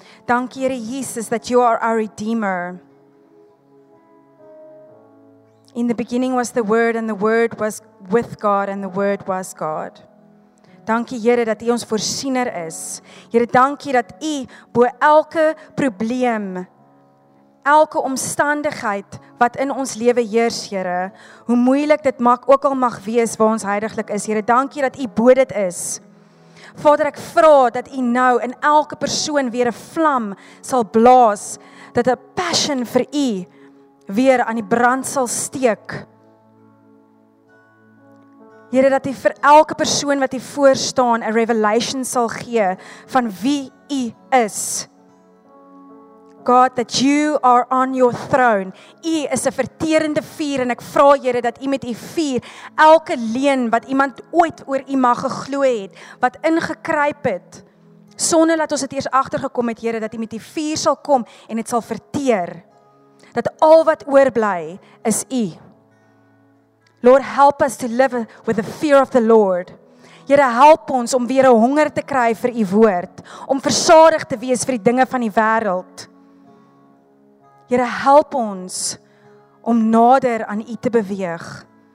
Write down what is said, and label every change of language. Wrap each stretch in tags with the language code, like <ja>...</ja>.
<af>Dankie Here</af> <en>Jesus that you are our redeemer. In the beginning was the word and the word was with God and the word was God.</en> <af>Dankie Here dat U ons voorsiener is. Here dankie dat U bo elke probleem, elke omstandigheid wat in ons lewe heers, Here, hoe moeilik dit mag ook al mag wees waar ons heiliglik is, Here, dankie dat U bo dit is. Vader, ek vra dat U nou in elke persoon weer 'n vlam sal blaas, dat 'n passion vir U weer aan die brand sal steek. Here, dat U vir elke persoon wat hier voor staan 'n revelation sal gee van wie U is.</af> <en>God, that you are on your throne.</en> <af>U is 'n verterende vuur en ek vra Here dat U met U vuur elke leuen wat iemand ooit oor U mag geglo het, wat ingekruip het, sonder dat ons dit eers agtergekom het, Here, dat U met U vuur sal kom en dit sal verteer. Dat al wat oorbly is U.</af> <en>Lord, help us to live with the fear of the Lord.</en> <af>Here, help ons om weer 'n honger te kry vir U woord, om versadig te wees vir die dinge van die wêreld. Here, help ons om nader aan U te beweeg.</af>